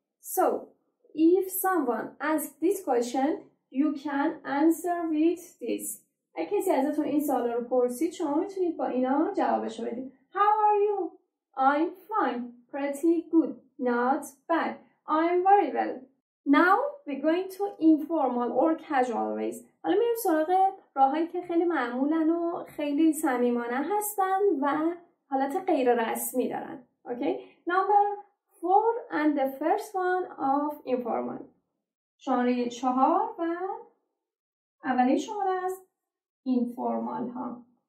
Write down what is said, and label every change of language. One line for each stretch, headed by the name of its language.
English: So, if someone asks this question, you can answer with this.
Persian: اگه کسی ازتون این سوال رو پرسید، شما میتونید با اینا جوابشو بدید.
English: How are you? I'm fine. Pretty good. Not bad. I'm very well. Now we're going to informal or casual ways.
Persian: حالا میریم سراغ راهایی که خیلی معمولن و خیلی صمیمانه هستن و حالت غیر رسمی دارن.
English: Okay? Number 4 and the first one of informal.
Persian: شماره 4 و اولین شماره از informal ها.